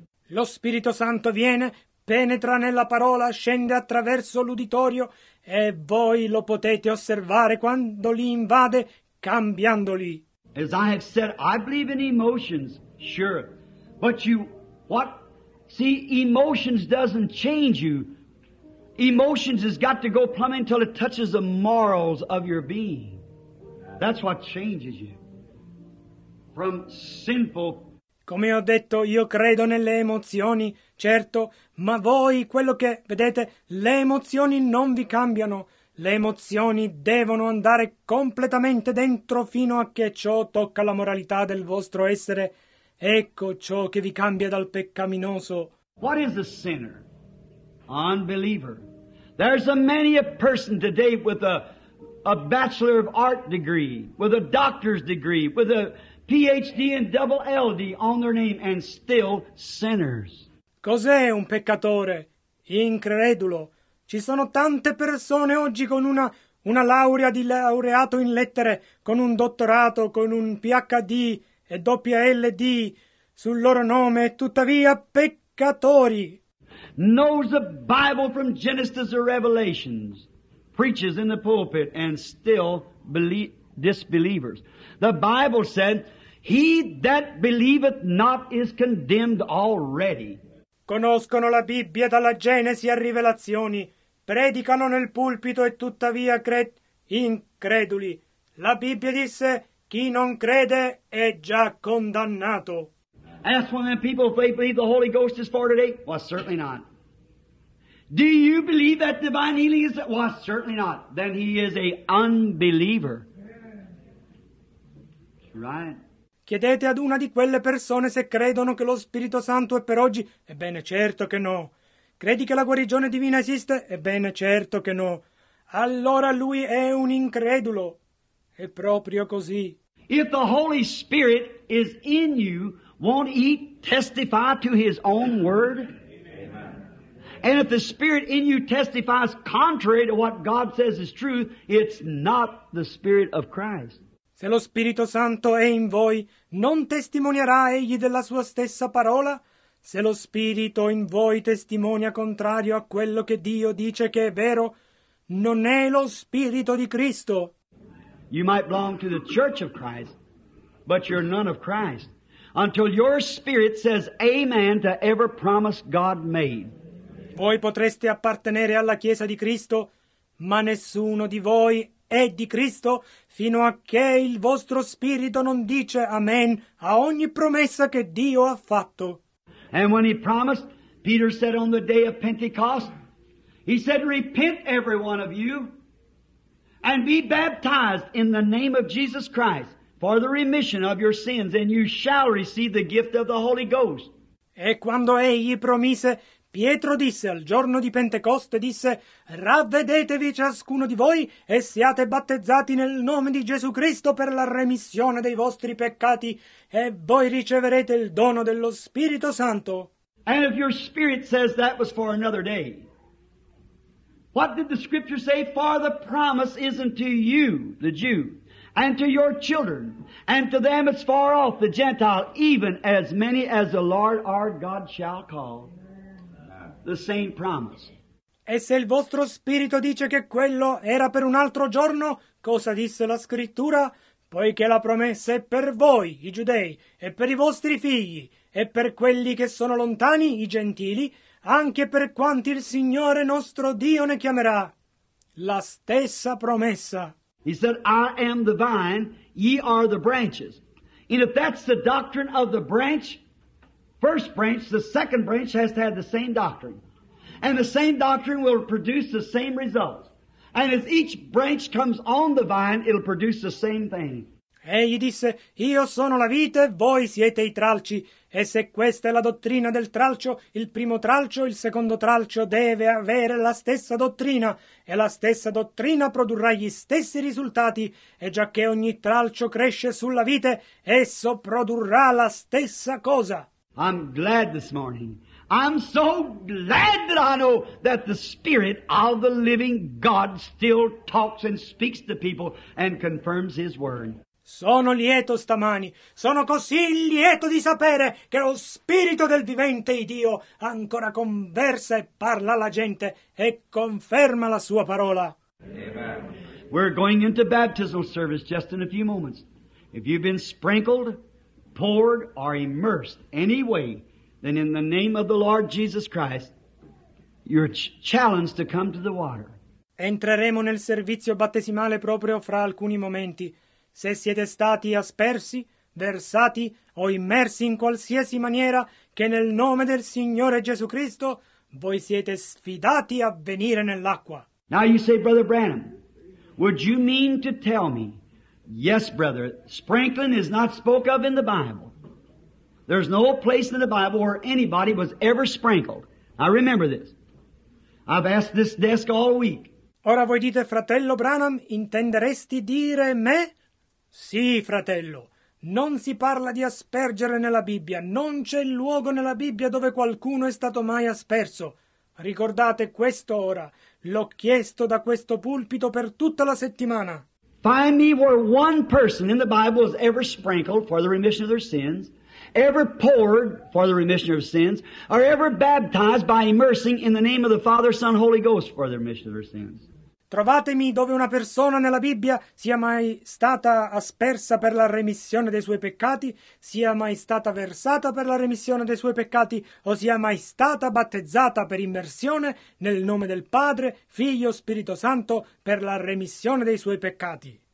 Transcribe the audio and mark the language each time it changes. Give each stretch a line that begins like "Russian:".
Italian: Lo Spirito Santo viene, penetra nella parola, scende attraverso l'uditorio, e voi lo potete osservare quando li invade, cambiandoli.
English: As I have said, I believe in emotions, sure, but you, what? See, emotions doesn't change you. Emotions has got to go plumb until it touches the morals of your being. That's what changes you. From sinful...
Italian: Come ho detto, io credo nelle emozioni, certo, ma voi, quello che vedete, le emozioni non vi cambiano. Le emozioni devono andare completamente dentro fino a che ciò tocca la moralità del vostro essere. Ecco ciò che vi cambia dal peccaminoso.
English: What is a sinner? Unbeliever. There's a many a person today with a bachelor of art degree, with a doctor's degree, with a PhD and double LD on their name, and still sinners.
Italian: Cos'è un peccatore? Incredulo. Ci sono tante persone oggi con una laurea di laureato in lettere, con un dottorato, con un PhD e doppia LD sul loro nome, tuttavia peccatori.
English: Knows the Bible from Genesis to Revelations, preaches in the pulpit, and still disbelievers. The Bible said, he that believeth not is condemned already.
Italian: Conoscono la Bibbia dalla Genesi a Rivelazioni, predicano nel pulpito e tuttavia increduli. La Bibbia disse, chi non crede è già condannato.
English: ask one of them people if they believe the Holy Ghost is for today. Well, certainly not. Do you believe that divine healing is? Well, certainly not. Then he is an unbeliever. Right.
Italian: Chiedete ad una di quelle persone se credono che lo Spirito Santo è per oggi. Ebbene, certo che no. Credi che la guarigione divina esiste? Ebbene, certo che no. Allora lui è un incredulo. È proprio così.
English: If the Holy Spirit is in you, won't he testify to his own word? And if the Spirit in you testifies contrary to what God says is truth, it's not the Spirit of Christ.
Italian: Se lo Spirito Santo è in voi, non testimonierà egli della sua stessa parola? Se lo Spirito in voi testimonia contrario a quello che Dio dice che è vero, non è lo Spirito di Cristo.
English: You might belong to the Church of Christ, but you're none of Christ, until your spirit says amen to every promise God made.
Italian: Voi potreste appartenere alla Chiesa di Cristo, ma nessuno di voi è di Cristo fino a che il vostro spirito non dice amen a ogni promessa che Dio ha fatto.
English: And when he promised, Peter said on the day of Pentecost, he said, repent every one of you and be baptized in the name of Jesus Christ for the remission of your sins, and you shall receive the gift of the Holy Ghost.
Italian: E quando egli promise, Pietro disse al giorno di Pentecoste, disse, ravvedetevi ciascuno di voi e siate battezzati nel nome di Gesù Cristo per la remissione dei vostri peccati e voi riceverete il dono dello Spirito Santo.
English: And if your spirit says that was for another day, what did the scripture say? For the promise is unto you, the Jew, and to your children, and to them as far off, the Gentile, even as many as the Lord our God shall call. The same promise.
Italian: E se il vostro spirito dice che quello era per un altro giorno, cosa disse la scrittura? Poiché la promessa è per voi, i giudei, e per i vostri figli, e per quelli che sono lontani, i gentili, anche per quanti il Signore nostro Dio ne chiamerà. La stessa promessa.
English: He said, I am the vine, ye are the branches. And if that's the doctrine of the branch, first branch, the second branch has to have the same doctrine. And the same doctrine will produce the same results. And as each branch comes on the vine, it'll produce the same thing.
Italian: Egli disse, io sono la vite, voi siete i tralci. E se questa è la dottrina del tralcio, il primo tralcio, il secondo tralcio deve avere la stessa dottrina. E la stessa dottrina produrrà gli stessi risultati. E giacché ogni tralcio cresce sulla vite, esso produrrà la stessa cosa.
English: I'm glad this morning. I'm so glad that I know that the Spirit of the living God still talks and speaks to people and confirms His Word.
Italian: Sono lieto stamani. Sono così lieto di sapere che lo Spirito del vivente Dio ancora conversa e parla alla gente e conferma la sua parola. Amen.
English: We're going into baptismal service just in a few moments. If you've been sprinkled, poured or immersed any way, then in the name of the Lord Jesus Christ, you're challenged to come to the water.
Italian: Entreremo nel servizio battesimale proprio fra alcuni momenti. Se siete stati aspersi, versati o immersi in qualsiasi maniera, che nel nome del Signore Gesù Cristo, voi siete sfidati a venire nell'acqua.
English: Now you say, Brother Branham, would you mean to tell me? Yes, brother, sprinkling is not spoke of in the Bible. There's no place in the Bible where anybody was ever sprinkled. I remember this. I've asked this desk all week.
Italian: Ora voi dite, fratello Branham, intenderesti dire me? Sì, fratello. Non si parla di aspergere nella Bibbia. Non c'è luogo nella Bibbia dove qualcuno è stato mai asperso. Ricordate questo ora. L'ho chiesto da questo pulpito per tutta la settimana.
English: Find me where one person in the Bible is ever sprinkled for the remission of their sins, ever poured for the remission of sins, or ever baptized by immersing in the name of the Father, Son, Holy Ghost for the remission of their sins.
Italian: Trovatemi dove una persona nella Bibbia sia mai stata aspersa per la remissione dei suoi peccati, sia mai stata versata per la remissione dei suoi peccati, o sia mai stata battezzata per immersione nel nome del Padre, Figlio, Spirito Santo, per la remissione dei suoi peccati.